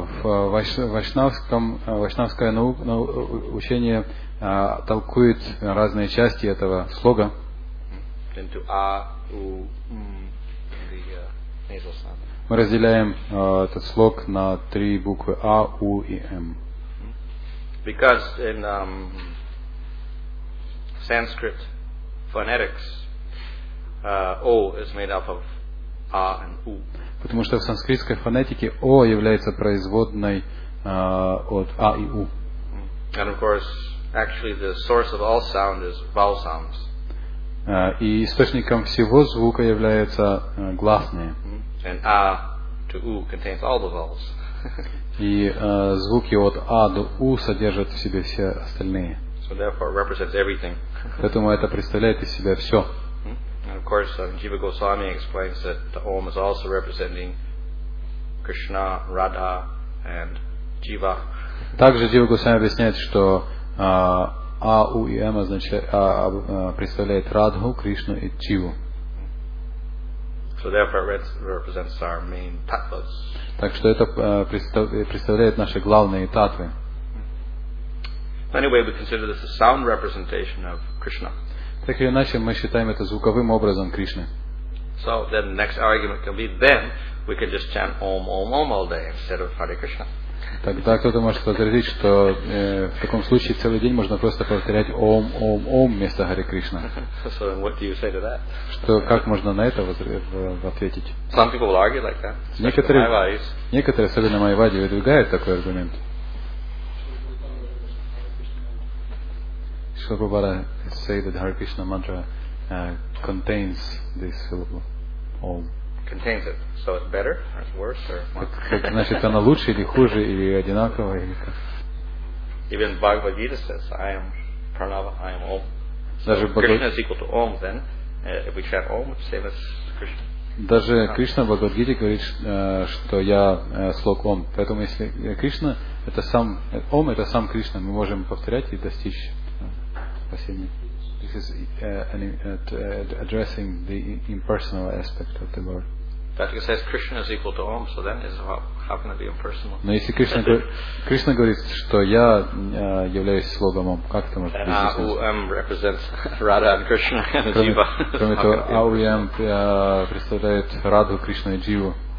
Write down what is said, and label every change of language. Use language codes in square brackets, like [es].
[ru] Вайшнавское учение толкует разные части этого слога. [en] Into a, u, m, the nasal sound. [ru] Мы разделяем этот слог на три буквы а, у и м. [en] Because in Sanskrit phonetics, O is made up of A and U. [ru] Потому что в санскритской фонетике O является производной от A и U. [en] And of course, actually the source of all sound is vowel sounds. [ru] И источником всего звука является гласные. [en] And A to U contains all the vowels. [ru] И звуки от А до У содержат в себе все остальные. [en] So therefore, it represents everything. [ru] Поэтому это представляет из себя все. [en] And of course, Jiva Goswami explains that the Om is also representing Krishna, Radha, and Jiva. [ru] Также Jiva Goswami объясняет, что А, У и М представляет Радху, Кришну и Чиву. [en] So therefore, it represents our main tattvas. [ru] Так что это представляет наши главные татвы. [en] Anyway, we consider this a sound representation of Krishna. [ru] Так или иначе, мы считаем это звуковым образом Кришны. [en] So then the next argument can be, then we can just chant Om Om Om all day instead of Hare Krishna. [ru] Тогда кто-то может возразить, что в таком случае целый день можно просто повторять Ом Ом Ом вместо Харе Кришна. [en] So then what do you say to that? [ru] Что, как можно на это ответить? [en] Some people will argue like that. [ru] Некоторые, особенно Майвади, выдвигают такой аргумент. [en] Шрила Прабхупада say that Hare Krishna mantra contains this syllable Om. Contains it. So it's better, or it's worse, or what? [ru] Значит, оно лучше или хуже, или одинаково, или как? [en] Even Bhagavad Gita says, I am Pranava, I am Om. So Krishna is equal to Om, then. If we chant Om, it's same as Krishna. [ru] Даже Кришна в Бхагавад-гите говорит, что я слог Ом. Поэтому если Кришна, это сам Ом, это сам Кришна, мы можем повторять и достичь спасения. [en] This is addressing the impersonal aspect of the Lord. That says Krishna is equal to Om, so then is how can it be impersonal? [ru] Но если Кришна говорит, что я являюсь слогом Ом, как это может быть? [en] AUM represents Radha and Krishna and Jiva. [ru] Кроме того, AUM представляет Радху, Кришну и Дживу.